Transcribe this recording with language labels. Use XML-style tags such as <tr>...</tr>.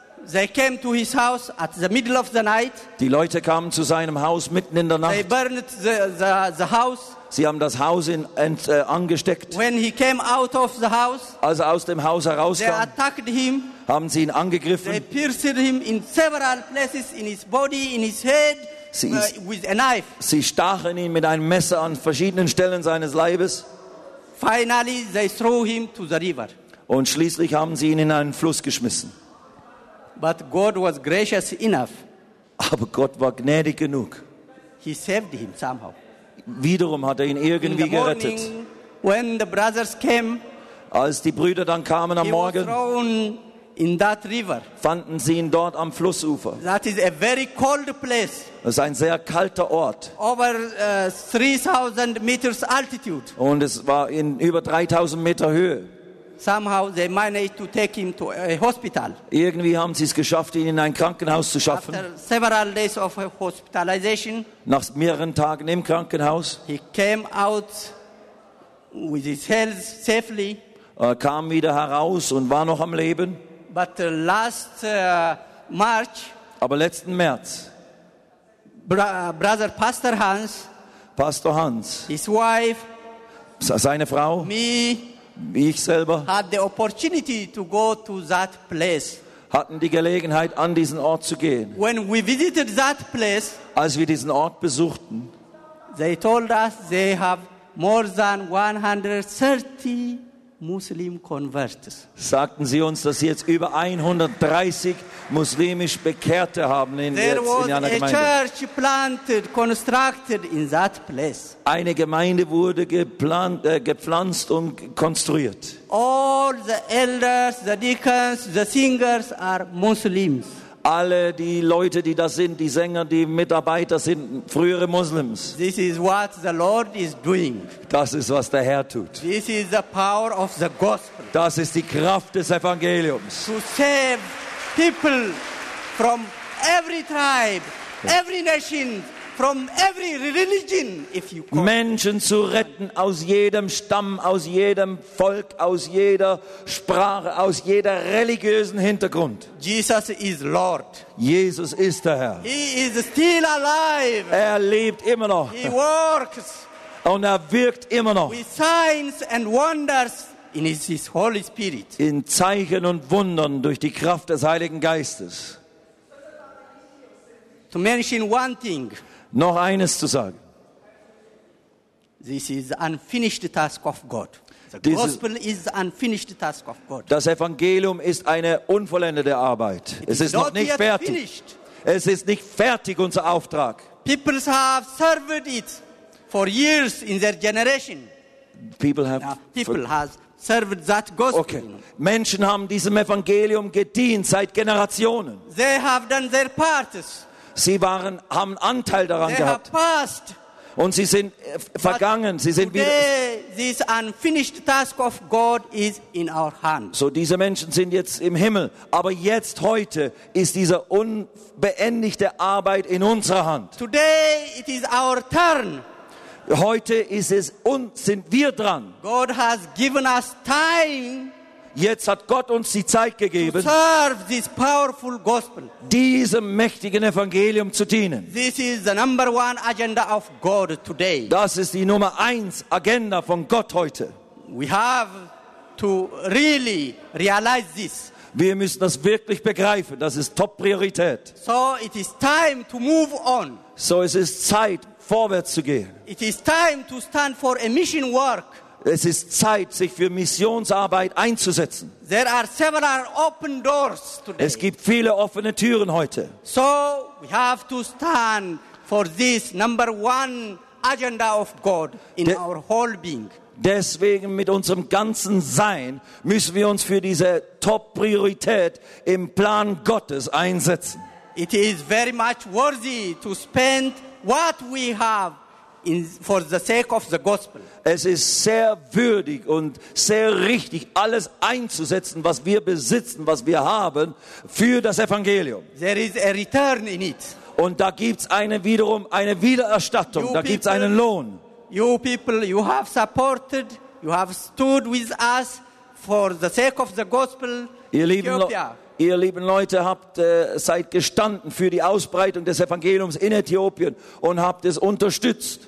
<en>They came to his house at the middle of the night.</en> <de>Die Leute kamen zu seinem Haus mitten in der Nacht.</de> <en>They burned the house.</en> <de>Sie haben das Haus angesteckt.</de> <en>When he came out of the house,</en> <de>als er aus dem Haus herauskam,</de> <en>they attacked him.</en> <de>Haben sie ihn angegriffen.</de> <en>They pierced him in several places in his body, in his head, with a knife.</en> <de>Sie stachen ihn mit einem Messer an verschiedenen Stellen seines Leibes.</de> <en>Finally, they threw him to the river.</en> <de>Und schließlich haben sie ihn in einen Fluss geschmissen.</de> <en>But God was gracious enough.</en> <de>Aber Gott war gnädig genug.</de> <en>He saved him somehow.</en> <de>Wiederum hat er ihn irgendwie gerettet.</de> <en>When the brothers came,</en> <de>als die Brüder dann kamen am Morgen,</de> <en>in that river.</en> <de>Fanden sie ihn dort am Flussufer.</de> <en>That is a very cold place.</en> <de>Das ist ein sehr kalter Ort.</de> <en>Over 3000 meters altitude.</en> <de>Und es war in über 3000 Meter Höhe.</de> <en>Somehow they managed to take him to a hospital.</en> <de>Irgendwie haben sie es geschafft, ihn in ein Krankenhaus zu schaffen.</de> <en>After several days of hospitalization,</en> <de>nach mehreren Tagen im Krankenhaus,</de> <en>he came out with his health safely.</en> <de>Kam wieder heraus und war noch am Leben.</de> <en>But last March,</en> <de>aber letzten März,</de> <en>Brother Pastor Hans,</en> <de>Pastor Hans,</de> <en>his wife,</en> <de>seine Frau,</de> <en>me,</en> <de>ich selber,</de> <en>had the opportunity to go to that place.</en> <de>Hatten die Gelegenheit, an diesen Ort zu gehen.</de> <en>When we visited that place,</en> <de>als wir diesen Ort besuchten,</de> <en>they told us they have more than 130 Muslim converts.</en> <de>Sagten sie uns, dass sie jetzt über 130 muslimisch Bekehrte haben in der Gemeinde.</de> <en>There was a church planted, constructed in that place.</en> <de>Eine Gemeinde wurde gepflanzt und konstruiert.</de> <en>All the elders, the deacons, the singers are Muslims.</en> <de>Alle die Leute, die da sind, die Sänger, die Mitarbeiter sind frühere Muslims.</de> <en>This is what the Lord is doing.</en> <de>Das ist, was der Herr tut.</de> <en>This is the power of the gospel.</en> <de>Das ist die Kraft des Evangeliums.</de> <en>To save people from every tribe, every nation, from every religion, if you call.</en> <de>Menschen zu retten aus jedem Stamm, aus jedem Volk, aus jeder Sprache, aus jeder religiösen Hintergrund.</de> <en>Jesus is Lord.</en> <de>Jesus ist der Herr.</de> <en>He is still alive.</en> <de>Er lebt immer noch.</de> <en>He works.</en> <de>Und er wirkt immer noch.</de> <en>With signs and wonders in his Holy Spirit.</en> <de>In Zeichen und Wundern durch die Kraft des Heiligen Geistes.</de> <en>To mention one thing.</en> <de>Noch eines zu sagen.</de> <en>This is unfinished task of God. The gospel is unfinished task of God.</en> <de>Das Evangelium ist eine unvollendete Arbeit. Es ist noch nicht fertig.</de> <en>Finished.</en> <de>Es ist nicht fertig, unser Auftrag.</de> <en>People have served it for years in their generation. People have served that gospel.</en> <de>Okay. Menschen haben diesem Evangelium gedient seit Generationen.</de> <en>They have done their parts.</en> <de>Sie waren, haben Anteil daran</de> <en>they</en> <de>gehabt.</de> <en>Passed.</en> <de>Und sie sind vergangen. Sie sind</de> <en>this unfinished task of God is in our hands.</en> <de>So diese Menschen sind jetzt im Himmel. Aber jetzt, heute, ist diese unbeendigte Arbeit in unserer Hand.</de> <en>Today it is our turn.</en> <de>Heute ist es und sind wir dran.</de> <en>God has given us time.</en> <de>Jetzt hat Gott uns die Zeit gegeben,</de> <en>serve this powerful gospel.</en> <de>Diesem mächtigen Evangelium zu dienen.</de> <en>This is the number one agenda of God today.</en> <de>Das ist die Nummer eins Agenda von Gott heute.</de> <en>We have to really realize this.</en> <de>Wir müssen das wirklich begreifen. Das ist Top-Priorität.</de> <en>So it is time to move on.</en> <de>So es ist Zeit, vorwärts zu gehen.</de> <en>It is time to stand for a mission work.</en> <de>Es ist Zeit, sich für Missionsarbeit einzusetzen.</de> <en>There are several open doors today.</en> <de>Es gibt viele offene Türen heute.</de> <en>So we have to stand for this number one agenda of God in our whole being.</en> <de>Deswegen mit unserem ganzen Sein müssen wir uns für diese Top-Priorität im Plan Gottes einsetzen.</de> <en>It is very much worthy to spend what we have for the sake of the gospel.</en> <de>Es ist sehr würdig und sehr richtig, alles einzusetzen, was wir besitzen, was wir haben, für das Evangelium.</de> <en>There is a return in it.</en> <de>Und da gibt's eine wiederum eine Wiedererstattung,</de> <en>you</en> <de>da gibt's einen Lohn.</de> <en>You people, you have supported, you have stood with us for the sake of the gospel.</en> <de>Ihr lieben Leute, habt seid gestanden für die Ausbreitung des Evangeliums in Äthiopien und habt es unterstützt.</de>